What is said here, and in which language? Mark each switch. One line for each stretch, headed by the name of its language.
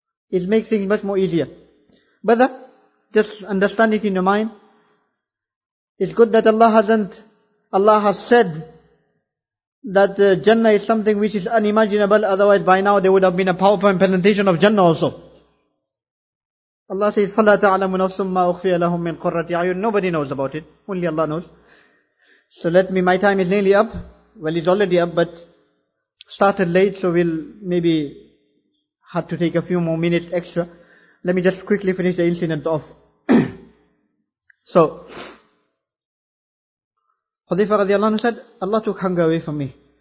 English: It makes things much more easier. Brother, just understand it in your mind. It's good that Allah has said that Jannah is something which is unimaginable, otherwise by now there would have been a PowerPoint presentation of Jannah also. Allah says,
Arabic: فَلَا تَعْلَمُ نَفْسٌ مَّا أُخْفِيَ لَهُمْ مِنْ قُرَّةِ عَيُّنْ.
English: Nobody knows about it, only Allah knows. So let me, my time is nearly up. Well, it's already up, but started late, so we'll maybe have to take a few more minutes extra. Let me just quickly finish the incident off. So, Hudhayfa radiallahu anhu said, Allah took hunger away from me.